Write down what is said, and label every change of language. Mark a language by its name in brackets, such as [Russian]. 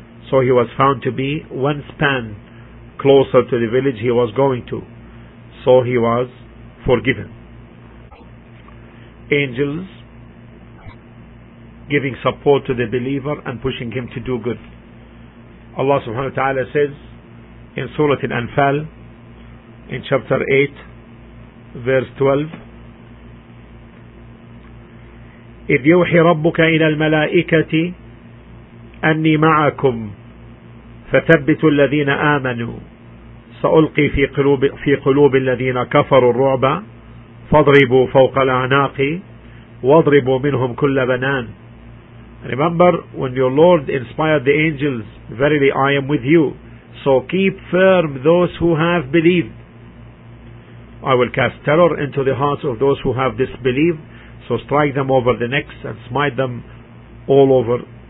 [English] So he was found to be one span closer to the village he was going to. So he was forgiven." Angels giving support to the believer and pushing him to do good. Allah subhanahu wa ta'ala says in Surah Al-Anfal, in chapter 8, verse 12, [Arabic] "إِذْ يُوحِي رَبُّكَ إِلَى الْمَلَائِكَةِ أَنِّي مَعَكُمْ فَثَبِّتُوا الَّذِينَ آمَنُوا سَأُلْقِي فِي قُلُوبِ الَّذِينَ كَفَرُوا الرُّعْبَ فَاضْرِبُوا فَوْقَ الْأَعْنَاقِ وَاضْرِبُوا مِنْهُمْ كُلَّ بَنَانٍ." [English] Remember when your Lord inspired the angels, "Verily I am with you, so keep firm those who have believed. I will cast terror into the hearts of those who have disbelieved, so strike them over the necks and smite them all over